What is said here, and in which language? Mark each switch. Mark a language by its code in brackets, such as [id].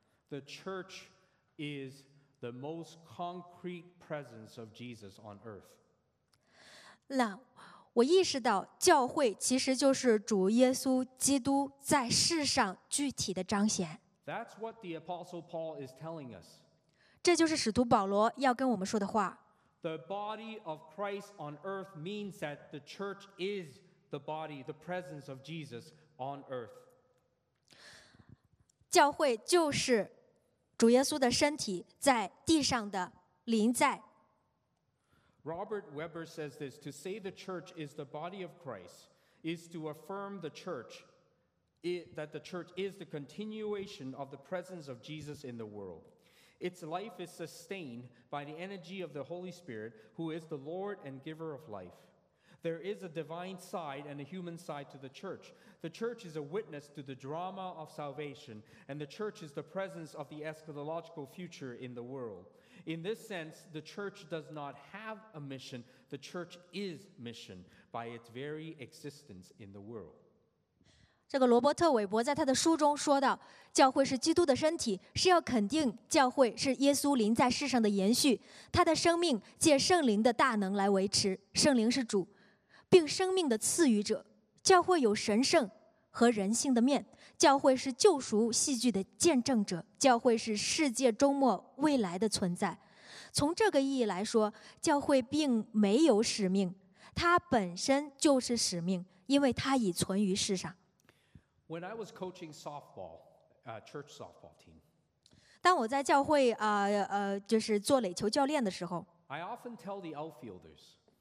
[en] The church is the most concrete presence of Jesus on earth. [zh] 那我意识到教会其实就是主耶稣基督在世上具体的彰显。 [en] That's what the Apostle Paul is telling us. [zh] 这就是使徒保罗要跟我们说的话。 [en] The body of Christ on earth means that the church is the body, the presence of Jesus on earth. [zh] 教会就是主耶稣的身体在地上的临在。 [en] Robert Weber says this, to say the church is the body of Christ is to affirm the church, that the church is the continuation of the presence of Jesus in the world. Its life is sustained by the energy of the Holy Spirit, who is the Lord and giver of life. There is a divine side and a human side to the church. The church is a witness to the drama of salvation, and the church is the presence of the eschatological future in the world. In this sense, the church does not have a mission. The church is mission by its very existence in the world. [zh] 这个罗伯特·韦伯在他的书中说到，教会是基督的身体，是要肯定教会是耶稣临在世上的延续，他的生命借圣灵的大能来维持，圣灵是主，并生命的赐予者，教会有神圣和人性的面，教会是救赎戏剧的见证者，教会是世界终末未来的存在。从这个意义来说，教会并没有使命，它本身就是使命，因为它已存于世上。 [en] When I was coaching softball, church softball team, [zh] 当我在教会就是做垒球教练的时候 [en] ，I often tell the outfielders,